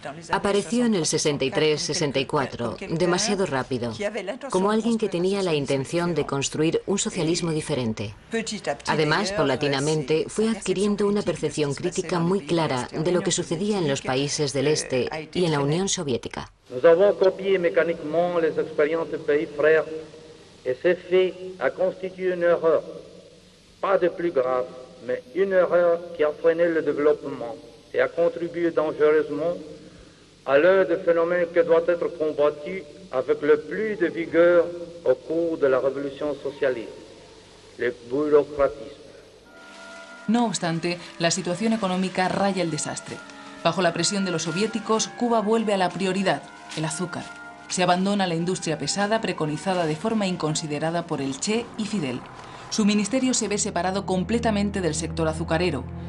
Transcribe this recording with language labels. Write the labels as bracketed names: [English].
[Spanish] Apareció en el 63-64, demasiado rápido, como alguien que tenía la intención de construir un socialismo diferente. Además, paulatinamente, fue adquiriendo una percepción crítica muy clara de lo que sucedía en los países del Este y en la Unión Soviética. [French] Nous avons copié mécaniquement les expériences de pays frères, et ce fait a constitué une erreur, pas de plus grave, mais une erreur qui a freiné le développement et a contribué dangereusement à l'un des phénomènes qui doit être combattu avec le plus de vigueur au cours de la révolution socialiste, le bureaucratisme. [Spanish] No obstante, la situación económica raya el desastre. Bajo la presión de los soviéticos, Cuba vuelve a la prioridad, el azúcar. Se abandona la industria pesada preconizada de forma inconsiderada por el Che y Fidel. Su ministerio se ve separado completamente del sector azucarero.